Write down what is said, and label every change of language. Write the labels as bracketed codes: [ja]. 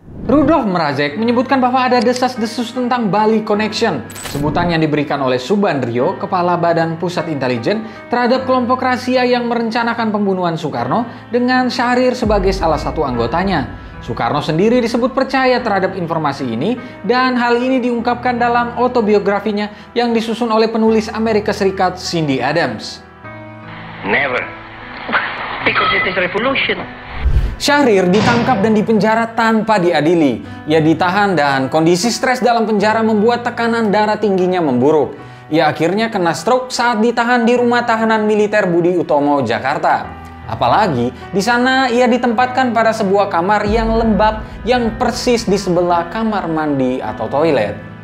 [id] Rudolf Mrazek menyebutkan bahwa ada desas-desus tentang Bali Connection, sebutan yang diberikan oleh Subandrio, Kepala Badan Pusat Intelijen, terhadap kelompok rahasia yang merencanakan pembunuhan Soekarno dengan Syahrir sebagai salah satu anggotanya. Soekarno sendiri disebut percaya terhadap informasi ini, dan hal ini diungkapkan dalam autobiografinya yang disusun oleh penulis Amerika Serikat Cindy Adams. [en] Never, because it is revolution. [id] Syahrir ditangkap dan dipenjara tanpa diadili. Ia ditahan dan kondisi stres dalam penjara membuat tekanan darah tingginya memburuk. Ia akhirnya kena stroke saat ditahan di rumah tahanan militer Budi Utomo, Jakarta. Apalagi, di sana ia ditempatkan pada sebuah kamar yang lembab yang persis di sebelah kamar mandi atau toilet.